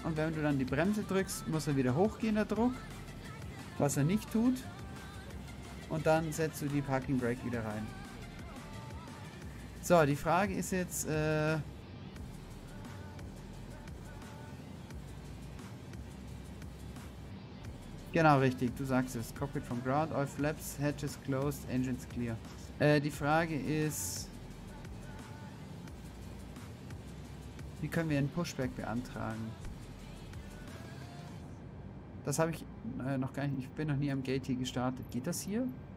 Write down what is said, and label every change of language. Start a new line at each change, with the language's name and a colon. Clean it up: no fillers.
German: Und wenn du dann die Bremse drückst, muss er wieder hochgehen, der Druck. Was er nicht tut. Und dann setzt du die Parking Brake wieder rein. So, die Frage ist jetzt, genau, richtig, du sagst es.
English: Cockpit from ground, all flaps, hatches closed, engines clear.
German: Die Frage ist, wie können wir ein Pushback beantragen? Das habe ich noch gar nicht, ich bin noch nie am Gate hier gestartet. Geht das hier?